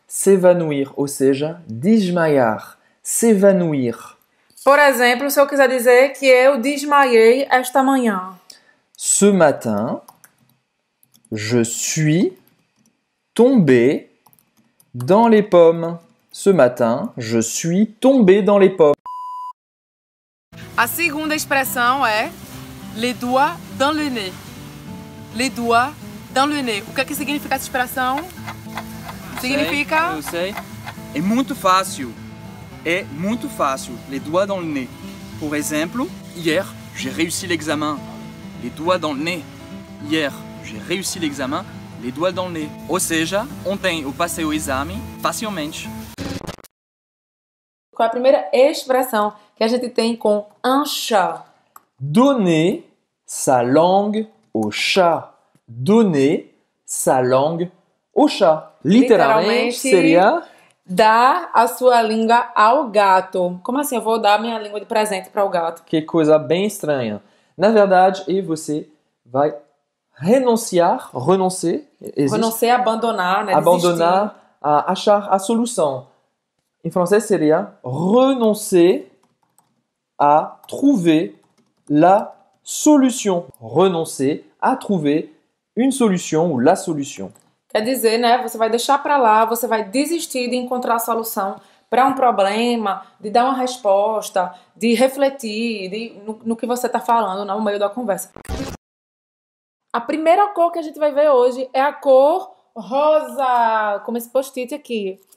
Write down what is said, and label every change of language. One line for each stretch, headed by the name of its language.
French: s'évanouir,
Portuguese: ou seja, desmaiar, s'évanouir. Por exemplo, se eu quiser dizer que eu desmaiei esta manhã.
French: Ce matin, je suis tombé dans les pommes. Ce matin, je suis tombé dans les pommes.
Portuguese: A segunda expressão é
French: les doigts dans le nez. Les doigts dans le nez.
Portuguese: O que é que significa essa expressão? Significa? Eu sei. É muito fácil. É muito fácil.
French: Les doigts dans le nez.
Portuguese: Por exemplo,
French: hier, j'ai réussi l'examen. Les doigts dans le nez. Hier, j'ai réussi l'examen. Les doigts dans le nez.
Portuguese: Ou seja, ontem eu passei o exame facilmente. Qual a primeira expressão que a gente tem com un chat?
French: Donner sa langue au chat. Donner sa langue au chat.
Portuguese: Literalmente seria dar a sua língua ao gato. Como assim? Eu vou dar minha língua de presente para o gato. Que coisa bem estranha. Na verdade, e você vai renunciar. Existe? Renunciar, abandonar, né? Abandonar, a achar a solução. Em francês seria
French: renoncer a trouver la solution. Renoncer a trouver une solution ou la solution.
Portuguese: Quer dizer, né, você vai deixar para lá, você vai desistir de encontrar a solução para um problema, de dar uma resposta, de refletir de, no que você está falando, no meio da conversa. A primeira cor que a gente vai ver hoje é a cor rosa, como esse post-it aqui.